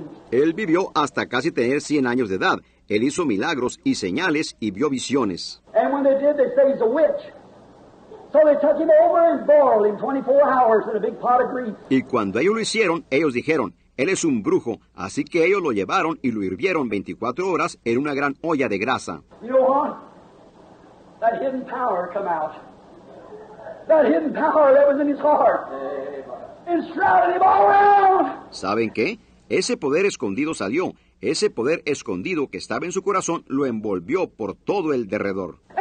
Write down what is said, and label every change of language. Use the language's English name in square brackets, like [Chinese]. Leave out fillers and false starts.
[Spanish] Él vivió hasta casi tener 100 años de edad. Él hizo milagros y señales y vio visiones. [English] And when they did, they say he's a witch. So they took him over and boiled him 24 hours in a big pot of grease. [Spanish] Y cuando ellos lo hicieron, ellos dijeron, él es un brujo. Así que ellos lo llevaron y lo hirvieron 24 horas en una gran olla de grasa. [English] You know what? That hidden power come out. That hidden power that was in his heart. It shrouded him all around. [Spanish] ¿Saben qué? Ese poder escondido salió. Ese poder escondido que estaba en su corazón lo envolvió por todo el derredor.